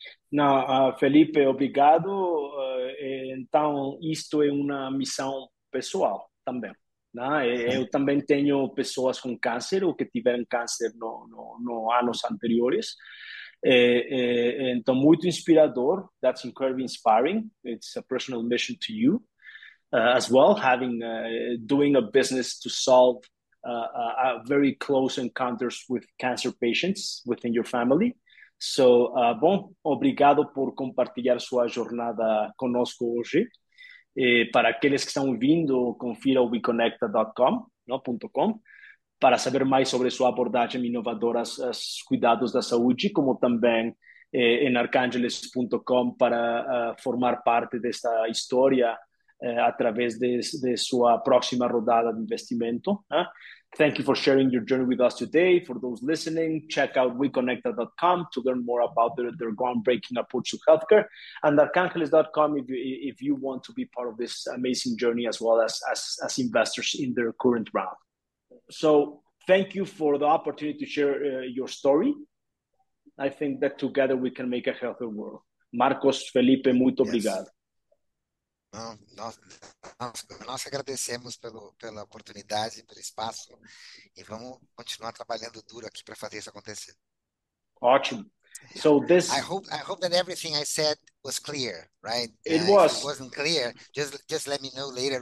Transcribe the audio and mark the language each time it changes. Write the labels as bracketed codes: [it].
[pt] Não, Felipe, obrigado. Então, isto é uma missão pessoal também, né? Eu também tenho pessoas com câncer, ou que tiveram câncer no anos anteriores. Então, muito inspirador. [en] That's incredibly inspiring. It's a personal mission to you as well, having doing a business to solve very close encounters with cancer patients within your family. So, [pt] bom, obrigado por compartilhar sua jornada conosco hoje. Para aqueles que estão vindo, confira o WeConnecta.com, não, .com. para saber mais sobre sua abordagem inovadora aos cuidados da saúde, como também em arcangeles.com para formar parte desta história através de sua próxima rodada de investimento. [en] Thank you for sharing your journey with us today. For those listening, check out weconnecta.com to learn more about their groundbreaking approach to healthcare, and arcangeles.com if you want to be part of this amazing journey as well as investors in their current round. So thank you for the opportunity to share your story. I think that together we can make a healthier world. [pt] Marcos, Felipe, muito obrigado. Nós agradecemos pela oportunidade, pelo espaço, e vamos continuar trabalhando duro aqui para fazer isso acontecer. Ótimo. [en] So this. I hope that everything I said was clear, right? It was. If it wasn't clear, just let me know later.